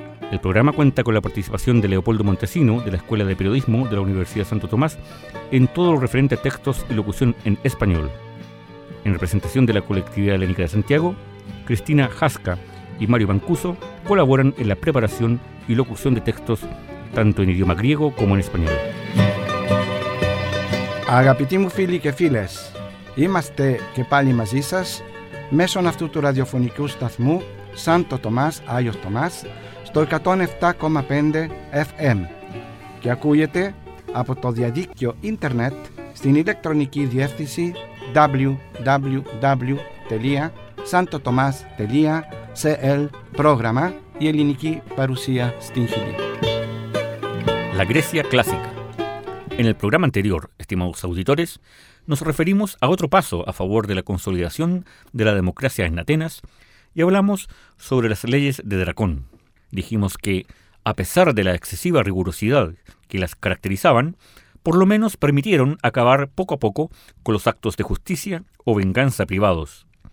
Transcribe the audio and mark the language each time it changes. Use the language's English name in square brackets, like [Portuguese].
[Spanish] El programa cuenta con la participación de Leopoldo Montesino, de la Escuela de Periodismo de la Universidad Santo Tomás, en todo lo referente a textos y locución en español. En representación de la Colectividad Helénica de Santiago, Cristina Jasca y Mario Mancuso colaboran en la preparación y locución de textos, tanto en idioma griego como en español. [Greek] Αγαπητοί φίλοι και φίλες, είμαστε και πάλι μαζί σας μέσω αυτού του ραδιοφωνικού σταθμού Σάντο Τομάς, Άγιος Τομάς, στο 107,5 FM και ακούγεται από το διαδίκτυο ίντερνετ στην ηλεκτρονική διεύθυνση www.santotomas.cl πρόγραμμα η ελληνική παρουσία στην Χιλή. [Spanish] La Grecia Clásica. En el programa anterior, estimados auditores, nos referimos a otro paso a favor de la consolidación de la democracia en Atenas y hablamos sobre las leyes de Dracón. Dijimos que, a pesar de la excesiva rigurosidad que las caracterizaban, por lo menos permitieron acabar poco a poco con los actos de justicia o venganza privados.